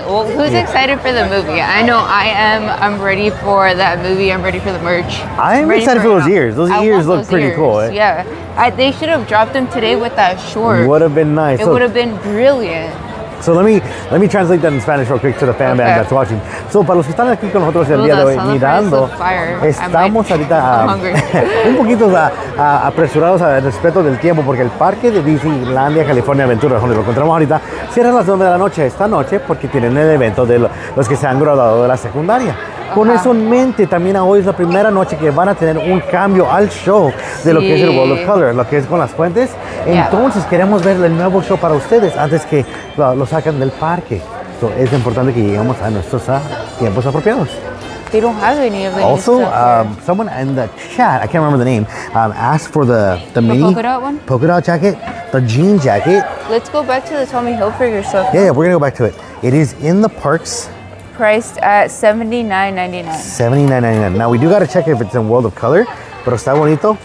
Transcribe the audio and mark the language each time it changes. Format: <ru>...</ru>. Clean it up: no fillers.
<en>Well, who's excited for the movie? I know I am. I'm ready for that movie. I'm ready for the merch. I'm excited for those ears. Those ears look pretty cool. Yeah. They should have dropped them today with that short. Would have been nice. It would have been brilliant. So let me translate that in Spanish real quick to the fan band that's watching.</en> <es>So para los que están aquí con nosotros el día de hoy mirando, estamos ahorita un poquito apresurados al respeto del tiempo porque el parque de Disneylandia California Aventura donde lo encontramos ahorita cierra a las 9 de la noche esta noche porque tienen el evento de los que se han graduado de la secundaria. Con eso en mente, también hoy es la primera noche que van a tener un cambio al show de lo que es el World of Color, lo que es con las fuentes. Entonces queremos ver el nuevo show para ustedes antes que lo saquen del parque. So, es importante que lleguemos a nuestros tiempos apropiados.</es> <en>They don't have any of it. Also, someone in the chat, I can't remember the name, asked for the mini polka dot jacket, the jean jacket. Let's go back to the Tommy Hilfiger stuff. Yeah, we're going to go back to it. It is in the parks. Priced at $79.99. $79.99. Now we do gotta check if it's in World of Color,</en> <es>pero está bonito.</es>